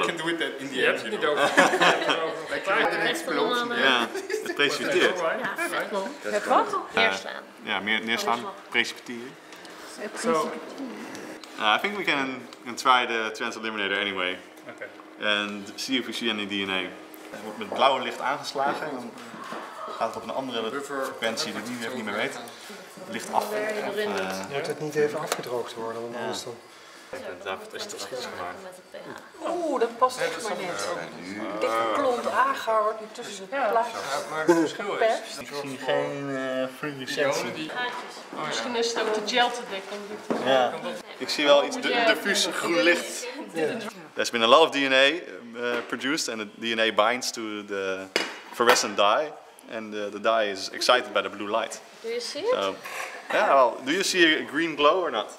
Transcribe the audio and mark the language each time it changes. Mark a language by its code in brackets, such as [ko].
[en] We can do it in the end, you know. Like an explosion. Yeah, it precipitates. Yeah, right. What? [nl] Neerslaan. Yeah, neerslaan, precipiteren. [en] So, I think we can try the transilluminator anyway. Okay. And see if we see any DNA. [nl] Het wordt met blauwe licht aangeslagen. Dan gaat het op een andere frequentie die we niet meer weten. Het licht af. Moet het niet even afgedroogd worden? Anders dan. Oeh, dat past echt maar net. Ik denk een klont agar wordt nu tussen zijn plaatjes geperst. Ik zie geen fruity sensor. Misschien is het ook de gel te dik. Ja. Ik zie wel iets diffuus groen licht. [en] There's been a lot of DNA produced and the DNA binds to the fluorescent dye. And the dye is excited by the blue light. Do you see it? So, yeah, well, do you see a green glow or not?